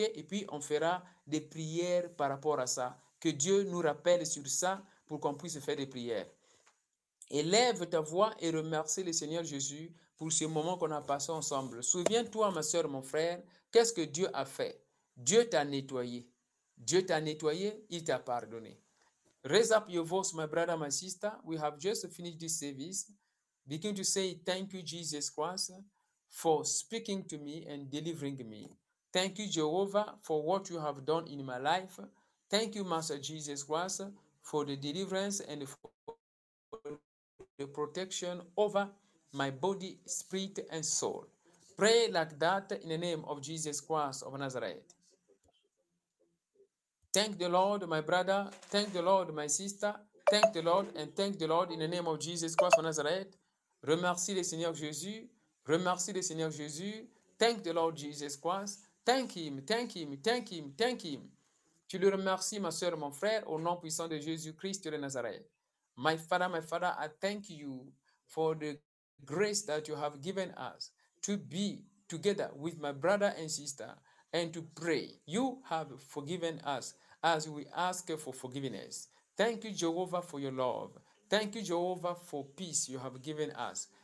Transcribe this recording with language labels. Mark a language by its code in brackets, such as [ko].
[fr] Et puis, on fera des prières par rapport à ça. Que Dieu nous rappelle sur ça pour qu'on puisse faire des prières. Élève ta voix et remercie le Seigneur Jésus pour ce moment qu'on a passé ensemble. Souviens-toi, ma soeur, mon frère, qu'est-ce que Dieu a fait? Dieu t'a nettoyé. Dieu t'a nettoyé, il t'a pardonné. [en] Raise up your voice, my brother, my sister. We have just finished this service. Begin to say, thank you, Jesus Christ, for speaking to me and delivering me. Thank you, Jehovah, for what you have done in my life. Thank you, Master Jesus Christ, for the deliverance and for the protection over my body, spirit, and soul. Pray like that in the name of Jesus Christ of Nazareth. Thank the Lord, my brother. Thank the Lord, my sister. Thank the Lord and thank the Lord in the name of Jesus Christ of Nazareth. [fr] Remercie le Seigneur Jésus. Remercie le Seigneur Jésus. [en] Thank the Lord Jesus Christ. Thank him, thank him, thank him, thank him. [fr] Tu le remercies, ma soeur, mon frère, au nom puissant de Jésus Christ de Nazareth. [en] My father, I thank you for the grace that you have given us to be together with my brother and sister and to pray. You have forgiven us as we ask for forgiveness. Thank you, Jehovah, for your love. Thank you, Jehovah, for peace you have given us.